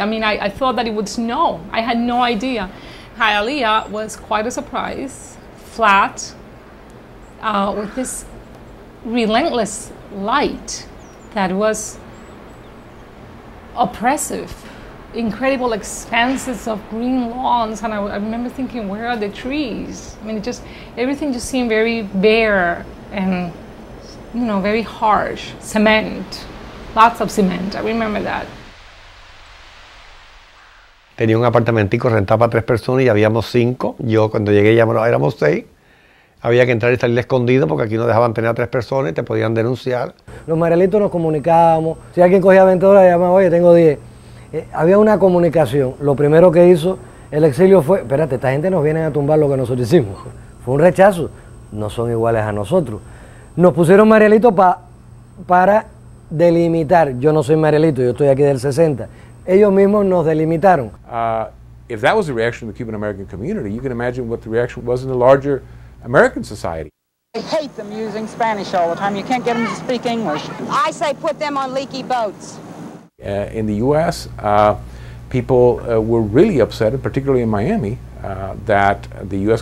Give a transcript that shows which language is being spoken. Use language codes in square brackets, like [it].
[en] I mean, I thought that it would snow. I had no idea. Hialeah was quite a surprise, flat, with this relentless light that was oppressive, incredible expanses of green lawns. And I remember thinking, where are the trees? I mean, it just, everything just seemed very bare and, you know, very harsh, cement. Lots of cement, I remember that. [es] Tenía un apartamentico rentado para tres personas y habíamos cinco. Yo cuando llegué ya éramos seis. Había que entrar y salir escondido porque aquí no dejaban tener a tres personas y te podían denunciar. Los Marielitos nos comunicábamos. Si alguien cogía 20 dólares, llamaba, oye, tengo 10. Había una comunicación. Lo primero que hizo el exilio fue, espérate, esta gente nos viene a tumbar lo que nosotros hicimos. Fue un rechazo. No son iguales a nosotros. Nos pusieron Marielitos para delimitar. Yo no soy Marielito, yo estoy aquí del 60. Ellos mismos nos delimitaron. [en] If that was the reaction of the Cuban-American community, you can imagine what the reaction was in the larger American society. I hate them using Spanish all the time. You can't get them to speak English. I say put them on leaky boats. In the U.S., people were really upset, particularly in Miami, that the U.S.